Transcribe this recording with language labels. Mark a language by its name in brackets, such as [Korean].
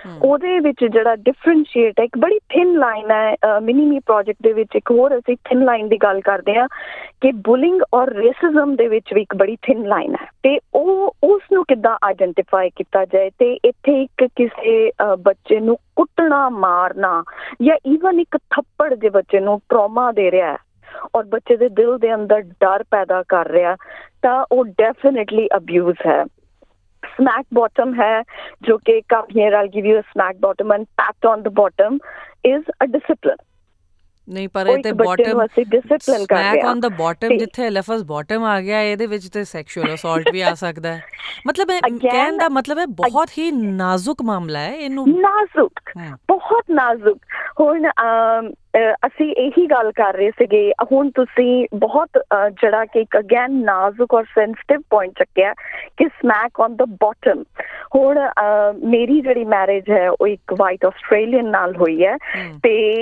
[Punjabi] ਉਹਦੇ ਵਿੱਚ ਜਿਹੜਾ ਡਿਫਰੈਂਸ਼ੀਏਟ ਹੈ, ਇੱਕ ਬੜੀ ਥਿਨ ਲਾਈਨ ਹੈ ਮਿਨੀਮੀ ਪ੍ਰੋਜੈਕਟ ਦੇ ਵਿੱਚ, ਇੱਕ ਹੋਰ ਅਸੀਂ ਥਿਨ ਲਾਈਨ ਦੀ ਗੱਲ ਕਰਦੇ ਹਾਂ ਕਿ ਬੁਲਿੰਗ ਔਰ ਰੇਸਿਜ਼ਮ ਦੇ ਵਿੱਚ ਵੀ ਇੱਕ ਬੜੀ ਥਿਨ ਲਾਈਨ ਹੈ, ਤੇ ਉਹ ਉਸਨੂੰ ਕਿੱਦਾਂ ਆਈਡੈਂਟੀਫਾਈ ਕੀਤਾ ਜਾਏ। ਤੇ ਇੱਥੇ ਇੱਕ ਕਿਸੇ ਬੱਚੇ ਨੂੰ ਕੁੱਟਣਾ ਮਾਰਨਾ ਜਾਂ ਈਵਨ ਇੱਕ ਥੱਪੜ ਜੇ ਬੱਚੇ ਨੂੰ ਟਰੋਮਾ ਦੇ ਰਿਹਾ ਔਰ ਬੱਚੇ ਦੇ ਦਿਲ ਦੇ ਅੰਦਰ ਡਰ ਪੈਦਾ ਕਰ ਰਿਹਾ ਤਾਂ ਉਹ ਡੈਫੀਨੇਟਲੀ ਅਬਿਊਜ਼ ਹੈ। [English] smack bottom [Punjabi] hai, jo ke [English] come here I'll give you a smack bottom and pat on the bottom is a discipline. [Punjabi] ਨਹੀਂ ਪਰ ਇਹ ਤੇ ਬਾਟਮ ਡਿਸਪਲਿਨ ਕਰ ਗਿਆ ਸਮੈਕ ਔਨ ਦਾ ਬਾਟਮ ਜਿੱਥੇ ਲਫਜ਼ ਬਾਟਮ ਆ ਗਿਆ ਇਹਦੇ ਵਿੱਚ ਤੇ ਸੈਕਸ਼ੂਅਲ ਅਸੌਲਟ ਵੀ ਆ ਸਕਦਾ ਹੈ ਮਤਲਬ ਕਹਿਣ ਦਾ ਮਤਲਬ ਹੈ ਬਹੁਤ ਹੀ ਨਾਜ਼ੁਕ ਮਾਮਲਾ ਹੈ ਇਹਨੂੰ ਨਾਜ਼ੁਕ ਬਹੁਤ ਨਾਜ਼ੁਕ ਹੁਣ ਅਸੀਂ ਇਹੀ ਗੱਲ ਕਰ ਰਹੇ ਸੀਗੇ ਹੁਣ ਤੁਸੀਂ ਬਹੁਤ ਜਿਹੜਾ ਕਿ ਇੱਕ ਅਗੇਨ ਨਾਜ਼ੁਕ ਔਰ ਸੈਂਸਿਟਿਵ ਪੁਆਇੰਟ ਚੱਕਿਆ ਕਿ ਸਮੈਕ ਔਨ ਦਾ ਬਾਟਮ ਹੁਣ ਮੇਰੀ ਜਿਹੜੀ ਮੈਰਿਜ ਹੈ ਉਹ ਇੱਕ ਵਾਈਟ ਆਸਟ੍ਰੇਲੀਅਨ ਨਾਲ ਹੋਈ ਹੈ ਤੇ